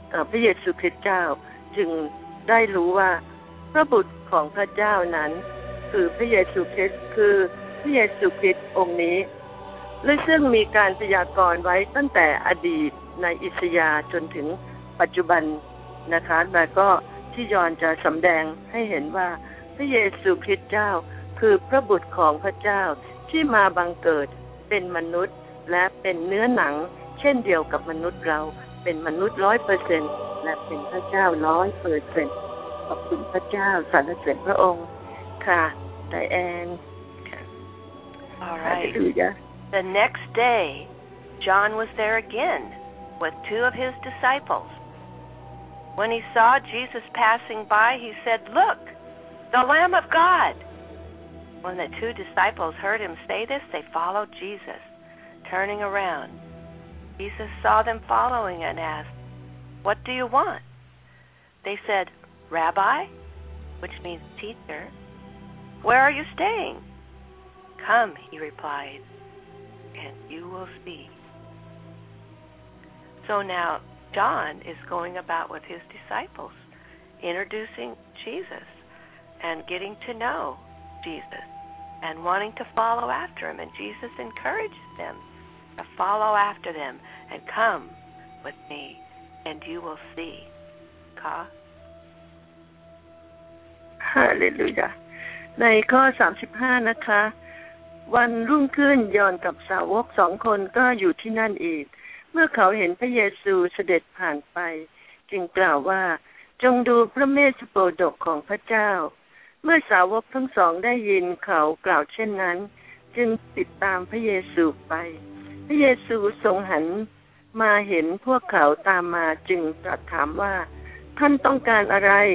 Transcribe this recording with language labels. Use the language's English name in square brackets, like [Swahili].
[Thai] พระเยซูคริสต์เจ้าจึงได้รู้ว่าพระบุตรของพระเจ้านั้นคือพระเยซูคริสต์คือพระเยซูคริสต์องค์นี้และซึ่งมีการพยากรณ์ไว้ตั้งแต่อดีตในอิสยาห์จนถึงปัจจุบันนะคะและก็ที่ยอห์นจะสำแดงให้เห็นว่าพระเยซูคริสต์เจ้าคือพระบุตรของพระเจ้าที่มาบังเกิดเป็นมนุษย์และเป็นเนื้อหนังเช่นเดียวกับมนุษย์เรา ป็นมนุษย์ 100% และเป็นพระเจ้า 100% ขอบคุณพระเจ้าสรรเสริญพระองค์ค่ะไดแอน [English] ค่ะ All right. The next day, John was there again with two of his disciples. When he saw Jesus passing by, he said, "Look, the Lamb of God." When the two disciples heard him say this, they followed Jesus, turning around. Jesus saw them following and asked, "What do you want?" They said, "Rabbi," which means teacher, "where are you staying?" "Come," he replied, "and you will see." So now John is going about with his disciples, introducing Jesus and getting to know Jesus and wanting to follow after him. And Jesus encourages them to follow after them and come with me and you will see. Ka? Hallelujah. [Thai] ในข้อ35นะคะวันรุ่งขึ้นยอห์นกับสาวก2คนก็อยู่ที่นั่นอีกเมื่อเขาเห็นพระเยซูเสด็จผ่านไปจึงกล่าวว่าจงดูพระเมษโปดกของพระเจ้าเมื่อสาวกทั้งสองได้ยินเขากล่าวเช่นนั้นจึงติดตามพระเยซูไปพระเยซูทรงหันมาเห็นพวกเขาตามมาจึงตรัสถามว่าท่านต้องการอะไร